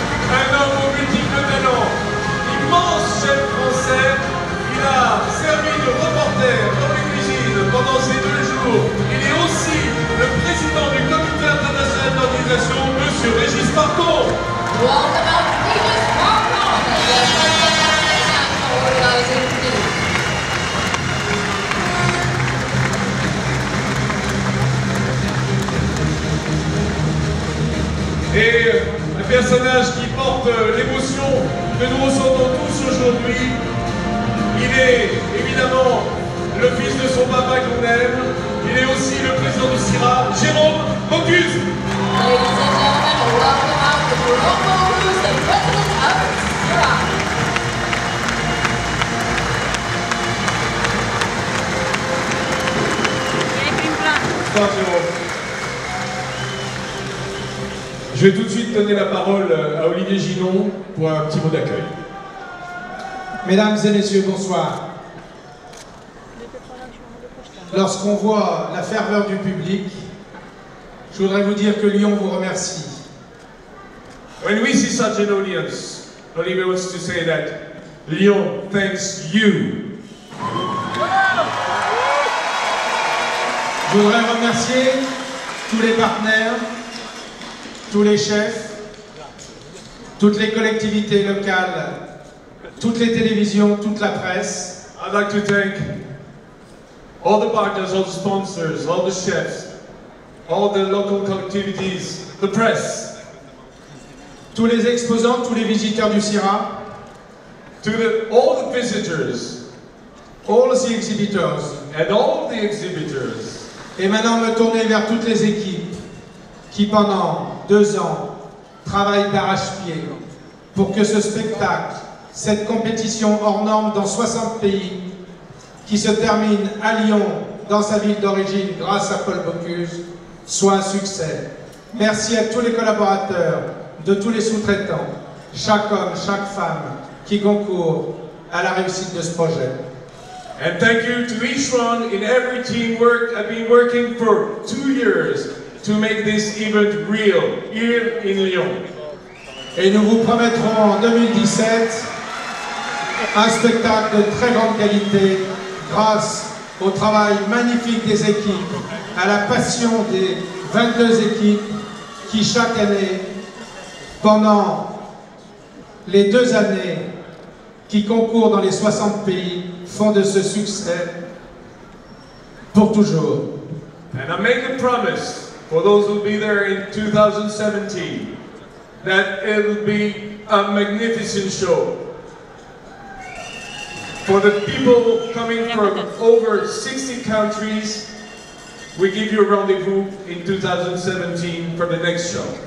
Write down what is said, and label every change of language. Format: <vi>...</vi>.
<fr>Un homme aux multiples talents, immense chef français. Il a servi de reporter dans les cuisines pendant ces 2 jours. Il est aussi le président du comité international d'organisation, M. Régis Marcon.</fr> <en>Welcome out, Régis Marcon, the president of the international organizing committee.</en> <fr>Et un personnage qui porte l'émotion que nous ressentons tous aujourd'hui, il est évidemment le fils de son papa qu'on aime. Il est aussi le président du CIRA, Jérôme Bocuse.</fr> <en>Ladies and gentlemen, welcome out to Jérôme Bocuse, the president of CIRA.</en> <fr>Bonsoir, Jérôme. Je vais tout de suite donner la parole à Olivier Gidon pour un petit mot d'accueil. Mesdames et messieurs, bonsoir. Lorsqu'on voit la ferveur du public, je voudrais vous dire que Lyon vous remercie.</fr> <en>When we see such an audience, Olivier wants to say that Lyon thanks you.</en> <fr>Je voudrais remercier tous les partenaires, tous les chefs, toutes les collectivités locales, toutes les télévisions, toute la presse.</fr> <en>I'd like to thank all the partners, all the sponsors, all the chefs, all the local collectivities, the press.</en> <fr>Tous les exposants, tous les visiteurs du CIRA.</fr> <en>To the, all the visitors. All the exhibitors. And all the exhibitors.</en> <fr>Et maintenant, me tourner vers toutes les équipes qui, pendant 2 ans, travaillent d'arrache-pied pour que ce spectacle, cette compétition hors norme dans 60 pays, qui se termine à Lyon, dans sa ville d'origine, grâce à Paul Bocuse, soit un succès. Merci à tous les collaborateurs, de tous les sous-traitants, chaque homme, chaque femme qui concourt à la réussite de ce projet.</fr> <en>And thank you to each one in every team work I've been working for 2 years to make this event real here in Lyon.</en> <fr>Et nous vous promettrons en 2017 un spectacle de très grande qualité grâce au travail magnifique des équipes, à la passion des 22 équipes qui chaque année, pendant les 2 années qui concourent dans les 60 pays, font de ce succès pour toujours.</fr> <en>And I make a promise for those who will be there in 2017 that it will be a magnificent show. For the people coming from over 60 countries, we give you a rendezvous in 2017 for the next show.</en>